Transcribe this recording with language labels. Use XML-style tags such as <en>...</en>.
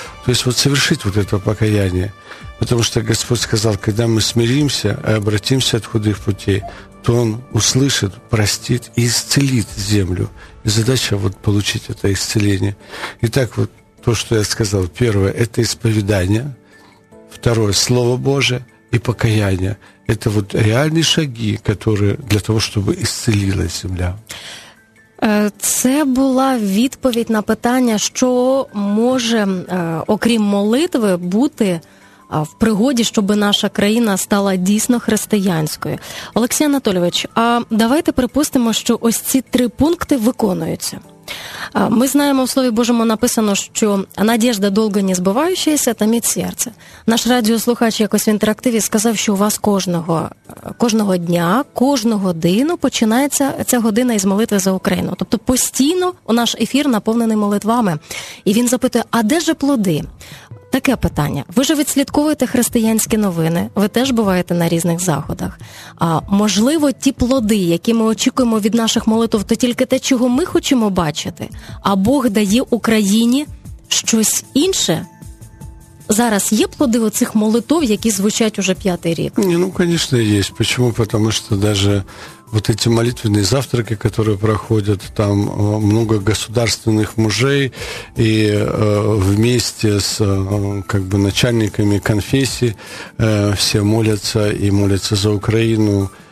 <ru>То есть вот совершить вот это покаяние. Потому что Господь сказал, когда мы смиримся и обратимся от худых путей, то Он услышит, простит и исцелит землю. И задача вот получить это исцеление. Итак, вот то, что я сказал. Первое – это исповедание. Второе – Слово Божие и покаяние. Это вот реальные шаги, которые для того, чтобы исцелилась земля.</ru> <uk>Це була відповідь на питання, що може, окрім молитви, бути в пригоді, щоб наша країна стала дійсно християнською. Олексій Анатолійович, а давайте припустимо, що ось ці три пункти виконуються. Ми знаємо, в Слові Божому написано, що надіжда довго не збиваючаяся та міць серця. Наш радіослухач якось в інтерактиві сказав, що у вас кожного дня, кожну годину починається ця година із молитви за Україну. Тобто постійно у наш ефір наповнений молитвами. І він запитує, а де же плоди? Таке питання. Ви ж відслідковуєте християнські новини, ви теж буваєте на різних заходах. А можливо, ті плоди, які ми очікуємо від наших молитв, то тільки те, чого ми хочемо бачити, а Бог дає Україні щось інше зараз є подив цих молитов, які звучать уже п'ятий рік? Ні, ну, звісно, є. Чому? Тому що навіть</uk> <ru>вот эти молитвенные завтраки, которые проходят, там много государственных мужей, и вместе с как бы начальниками конфессии все молятся, и молятся за Украину.</ru>